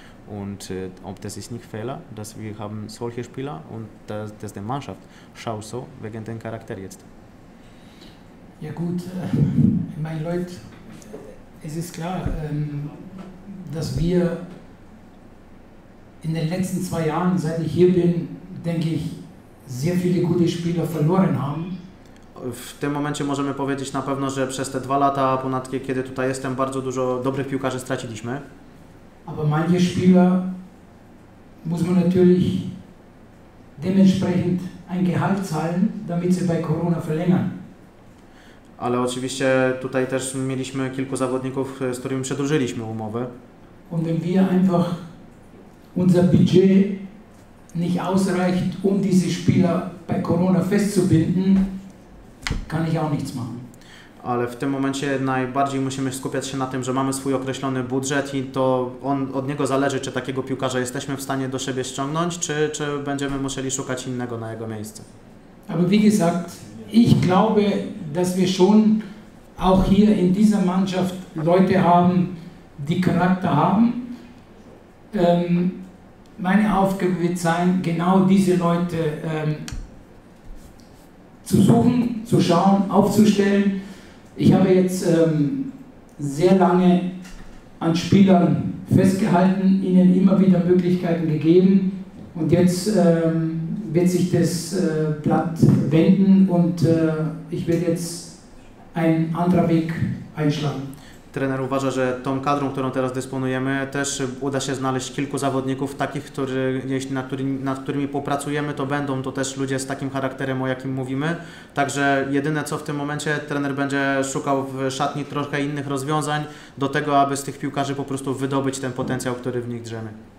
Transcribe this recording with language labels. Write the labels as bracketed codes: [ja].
[de] Und ob das ist nicht Fehler, dass wir haben solche Spieler und dass die Mannschaft schaut so wegen dem Charakter jetzt. Ja gut, meine Leute, es ist klar, dass wir in den letzten zwei Jahren, seit ich hier bin, denke ich, sehr viele gute Spieler verloren haben. [pl] W tym momencie możemy powiedzieć na pewno, że przez te dwa lata, ponad kiedy tutaj jestem, bardzo dużo dobrych piłkarzy straciliśmy. [de] Aber manche Spieler muss man natürlich dementsprechend ein Gehalt zahlen, damit sie bei Corona verlängern. [pl] Ale oczywiście tutaj też mieliśmy kilku zawodników, z którymi przedłużyliśmy umowę. [de] Und wenn wir einfach unser Budget nicht ausreicht, um diese Spieler bei Corona festzubinden, kann ich auch nichts machen. [pl] Ale w tym momencie najbardziej musimy skupiać się na tym, że mamy swój określony budżet i to on, od niego zależy, czy takiego piłkarza jesteśmy w stanie do siebie ściągnąć, czy będziemy musieli szukać innego na jego miejsce. [de] Aber wie gesagt, ich glaube, dass wir schon auch hier in dieser Mannschaft Leute haben, die Charakter haben. Meine Aufgabe wird sein, genau diese Leute zu suchen, zu schauen, aufzustellen. Ich habe jetzt sehr lange an Spielern festgehalten, ihnen immer wieder Möglichkeiten gegeben und jetzt wird sich das Blatt wenden und ich werde jetzt einen anderen Weg einschlagen. [pl] Trener uważa, że tą kadrą, którą teraz dysponujemy, też uda się znaleźć kilku zawodników takich, nad którymi popracujemy, to będą to też ludzie z takim charakterem, o jakim mówimy. Także jedyne co w tym momencie, trener będzie szukał w szatni trochę innych rozwiązań do tego, aby z tych piłkarzy po prostu wydobyć ten potencjał, który w nich drzemie.